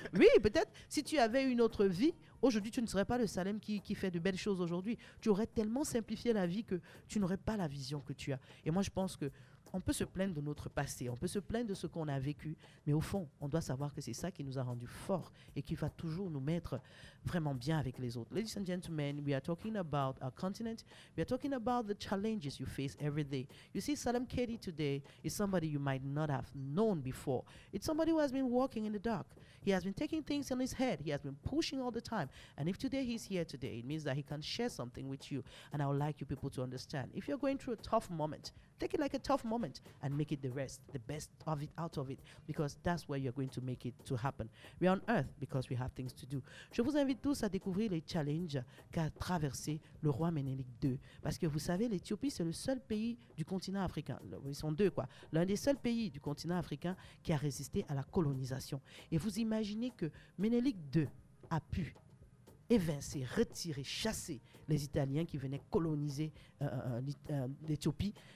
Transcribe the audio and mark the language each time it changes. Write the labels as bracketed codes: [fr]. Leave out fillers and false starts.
[fr] Oui, peut-être si tu avais une autre vie, aujourd'hui tu ne serais pas le Salem qui fait de belles choses aujourd'hui. Tu aurais tellement simplifié la vie que tu n'aurais pas la vision que tu as. Et moi je pense que on peut se plaindre de notre passé, on peut se plaindre de ce qu'on a vécu, mais au fond, on doit savoir que c'est ça qui nous a rendus forts et qui va toujours nous mettre vraiment bien avec les autres. [en] Ladies and gentlemen, we are talking about our continent. We are talking about the challenges you face every day. You see, Salem Kedi today is somebody you might not have known before. It's somebody who has been walking in the dark. He has been taking things on his head. He has been pushing all the time. And if today he's here today, it means that he can share something with you. And I would like you people to understand. If you're going through a tough moment, take it like a tough moment and make it the best of it out of it, because that's where you're going to make it to happen. We're on earth because we have things to do. [fr] Je vous invite tous à découvrir les challenges qu'a traversé le roi Ménélik II, parce que vous savez, l'Éthiopie, c'est le seul pays du continent africain. Ils sont deux, quoi. L'un des seuls pays du continent africain qui a résisté à la colonisation. Et vous imaginez que Ménélik II a pu évincer, retirer, chasser les Italiens qui venaient coloniser l'Éthiopie.